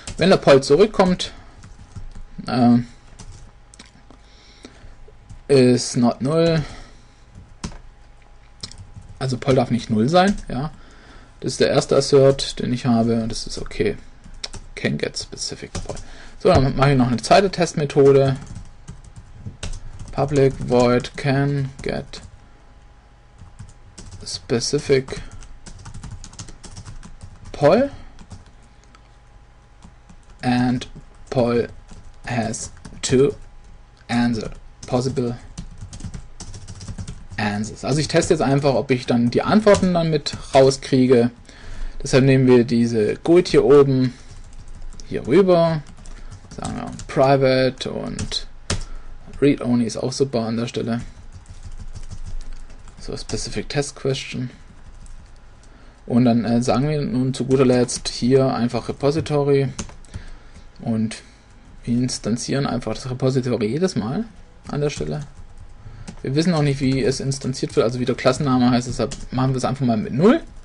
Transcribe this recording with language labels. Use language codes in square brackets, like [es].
[de] Wenn der Poll zurückkommt, ist not 0. Also Poll darf nicht 0 sein, ja. Das ist der erste Assert, den ich habe, und das ist okay. [en] Can't get specific Poll. [de] So, dann mache ich noch eine zweite Testmethode. [en] Public void can get specific Poll and Poll has two answers, possible answers. [de] Also ich teste jetzt einfach, ob ich dann die Antworten dann mit rauskriege. Deshalb nehmen wir diese GUID hier oben hier rüber, sagen wir private und read only ist auch super an der Stelle. [en] So specific test question. [de] Und dann sagen wir nun zu guter Letzt hier einfach Repository und wir instanzieren einfach das Repository jedes Mal an der Stelle. Wir wissen noch nicht, wie es instanziert wird, also wie der Klassenname heißt, deshalb machen wir es einfach mal mit 0.